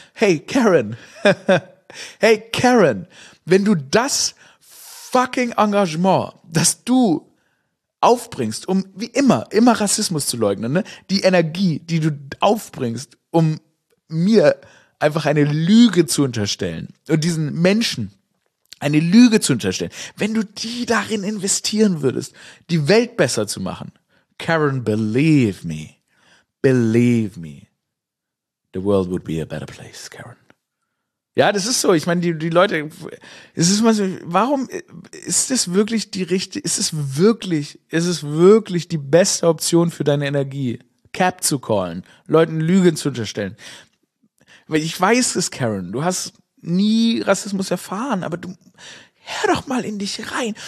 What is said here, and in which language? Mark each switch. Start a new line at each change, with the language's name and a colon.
German: Hey Karen, hey Karen, wenn du das fucking Engagement, das du aufbringst, um wie immer Rassismus zu leugnen, ne? Die Energie, die du aufbringst, um mir einfach eine Lüge zu unterstellen und diesen Menschen eine Lüge zu unterstellen, wenn du die darin investieren würdest, die Welt besser zu machen.
English: Karen, believe me, the world would be a better place, Karen.
German: Ja, das ist so. Ich meine, die Leute, es ist mal so, warum ist das wirklich die richtige, ist es wirklich die beste Option für deine Energie, Cap zu callen, Leuten Lügen zu unterstellen? Weil ich weiß es, Karen, du hast nie Rassismus erfahren, aber du, hör doch mal in dich rein.